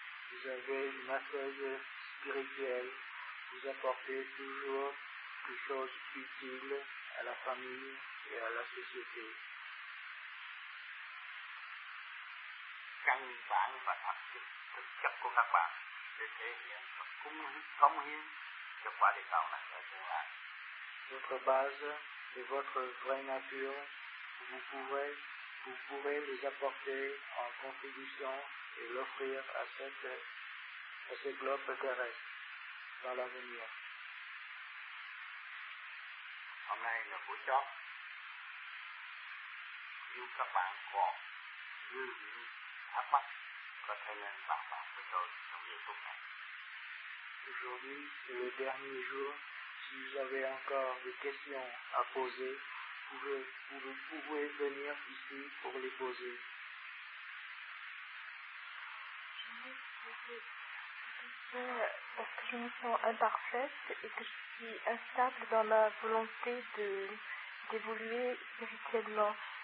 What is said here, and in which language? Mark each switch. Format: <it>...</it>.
<fr>vous avez une assise spirituelle, vous apportez toujours des choses utiles à la famille et à la société.</fr> <vi>Căn bản và thực chất của các bạn để thể hiện và cống hiến cho quả địa cầu này ở tương lai.</vi> <fr>Votre base et votre vraie nature, vous pouvez les apporter en contribution et l'offrir à ce globe terrestre dans l'avenir.</fr> <vi>Hôm nay là buổi chót. Nếu các bạn có dư những thắc mắc, có thể lên bàn bạc với tôi trong những phút này.</vi> <fr>Aujourd'hui, c'est le dernier jour. Si vous avez encore des questions à poser, Vous pouvez venir ici pour les poser. Je me suis dit parce que je me sens imparfaite et que je suis instable dans ma volonté d'évoluer spirituellement.</fr>